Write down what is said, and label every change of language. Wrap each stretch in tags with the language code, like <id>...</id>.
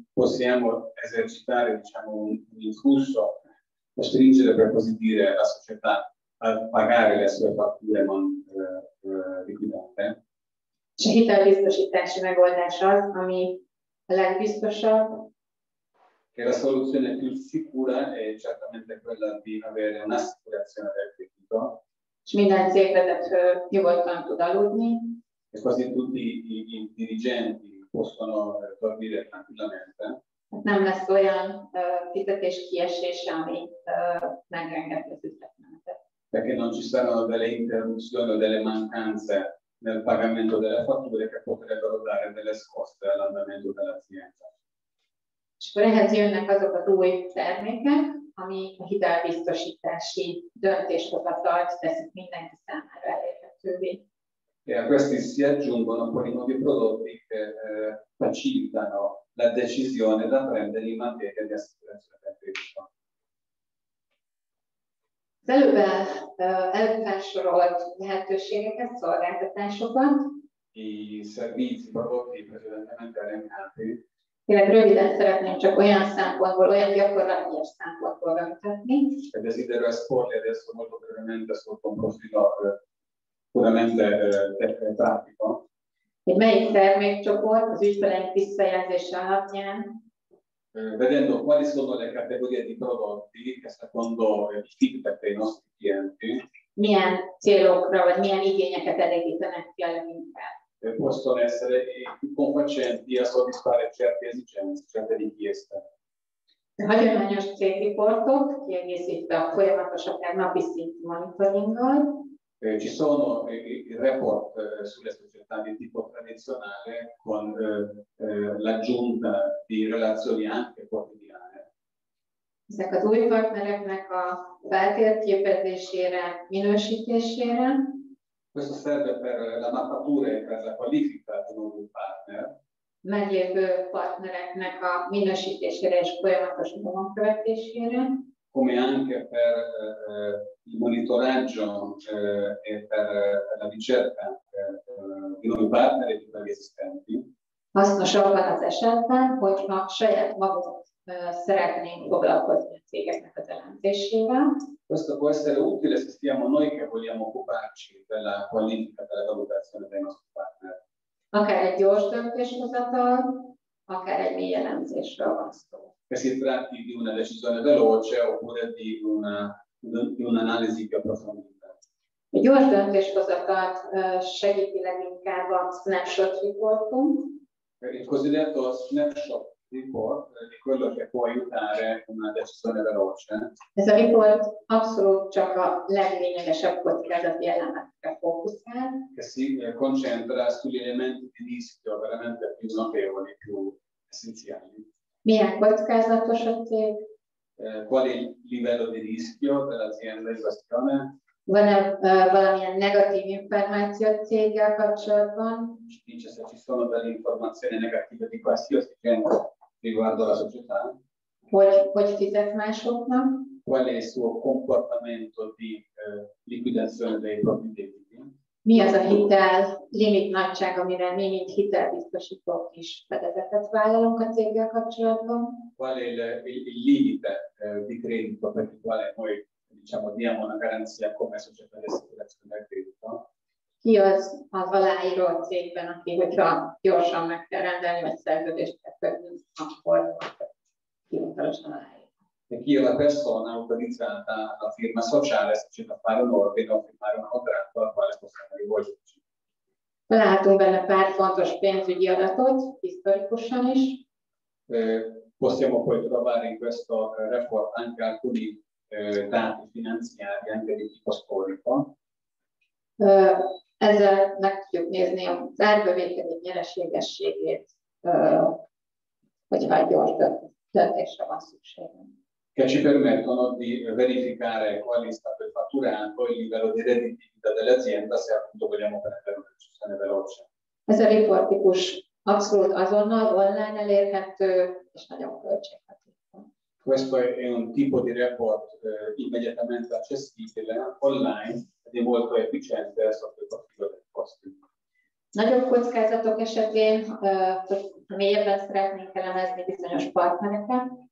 <it>Possiamo esercitare, diciamo, un influsso, costringere, per così dire, la società a pagare le sue fatture non liquidate.</it> <hu>És a hitelbiztosítási megoldás az, ami a legbiztosabb.</hu> <it>Che la soluzione più sicura è certamente quella di avere un'assicurazione del credito.</it> <hu>És minden cégvezető nyugodtan tud aludni.</hu> <it>E quasi tutti i dirigenti possono dormire tranquillamente.</it> <hu>Nem lesz olyan fizetés kiesése, ami megrengeti az ügyfeleket.</hu> <it>Perché non ci saranno delle interruzioni o delle mancanze nel pagamento delle fatture che potrebbero dare delle scosse all'andamento dell'azienda.</it> <hu>Ehhez jönnek azok az új termékek, ami a hitelbiztosítási döntéshozatalt teszik mindenki számára elérhetővé.</hu> <it>E a questi si aggiungono quei nuovi prodotti che facilitano la decisione da prendere in materia di assicurazione del credito.</it> <hu>Az előbb felsorolt lehetőségeket, szolgáltatásokat.</hu> <it>I servizi prodotti precedentemente elencati.</it> <hu>Tényleg röviden szeretném csak olyan szempontból, olyan gyakorlati szempontból bemutatni.</hu> <it>E desidero esporli adesso molto brevemente sotto un profilo puramente pratico.</it> <hu>Hogy melyik termékcsoport az ügyfeleink visszajelzése alapján</hu> <it>vedendo quali sono le categorie di prodotti che secondo il feedback dei nostri clienti</it> <hu>milyen célokra vagy milyen igényeket elégítenek ki</hu> <it>e possono essere più confacenti a soddisfare certe esigenze, certe richieste.</it> <hu>A hagyományos cégriportok kiegészítve a folyamatos akár napi szintű monitoringgal.</hu> <it>Ci sono i report sulle società di tipo tradizionale con l'aggiunta di relazioni anche quotidiane.</it> <hu>Ezek az új partnereknek a feltérképezésére, minősítésére.</hu> <it>Questo serve per la mappatura e per la qualifica di nuovi partner.</it> <hu>meglévő partnereknek a minősítésére és folyamatos nyomon követésére.</hu> <it>Come anche per il monitoraggio e per la ricerca di nuovi partner e di nuovi esistenti.</it> <hu>Hasznosabb van az esetben, hogyha saját magunkat szeretnénk foglalkozni a cégeknek a jelentésével.</hu> <it>Questo può essere utile se siamo noi che vogliamo occuparci della qualifica, della valutazione dei nostri partner.</it> <hu>Akár egy gyors döntéshozatal, akár egy mély elemzésről van szó.</hu> <it>Che si tratti di una decisione veloce oppure di una di un'analisi più approfondita.</it> <hu>A gyors döntéshozatalt segíti leginkább a snapshot reportunk.</hu> <it>Il cosiddetto snapshot report di quello che può aiutare una decisione veloce.</it> <hu>Ez a report abszolút csak a leglényegesebb kockázati elemekre fókuszál.</hu> <it>Che si concentra sugli elementi di rischio veramente più notevoli, più essenziali.</it> <hu>Milyen kockázatos a cég?</hu> <it>Qual è il livello di rischio dell'azienda in questione?</it> <hu>Van-e valamilyen negatív információ céggel kapcsolatban?</hu> <it>Dice se ci sono delle informazioni negative di qualsiasi genere riguardo la società.</it> <hu>Hogy fizet másoknak?</hu> <it>Qual è il suo comportamento di liquidazione dei propri debiti?</it> <hu>Mi az a hitel limit nagyság, amire mi, mint hitelbiztosítók is fedezetet vállalunk a céggel kapcsolatban?</hu> <it>Qual è il limite di credito per il quale noi diciamo diamo una garanzia come società di assicurazione del credito?</it> <hu>Ki az aláíró a cégben, aki, hogyha gyorsan meg kell rendelni, vagy szerződést kell kötni, akkor hivatalosan aláír.</hu> <it>E chi è la persona autorizzata a firma sociale se c'è da fare un ordine o firmare un contratto al quale possiamo rivolgerci.</it> <hu>Látunk benne pár fontos pénzügyi adatot, historikusan is.</hu> <it>Possiamo poi trovare in questo report anche alcuni dati finanziari, anche di tipo storico.</it> <hu>Ezzel meg tudjuk nézni az árbevételi nyereségességét, hogyha gyors döntésre van szükségünk.</hu> <it>Che ci permettono di verificare qual è stato il fatturato e il livello di redditività dell'azienda se appunto vogliamo prendere una decisione veloce.</it> <hu>Ez a report típus abszolút azonnal online elérhető és nagyon költséghatékony.</hu> <it>Questo è un tipo di report immediatamente accessibile online ed è molto efficiente sotto il profilo del costo.</it> <hu>Nagyobb kockázatok esetén mélyebben szeretnénk elemezni bizonyos partnereket.</hu>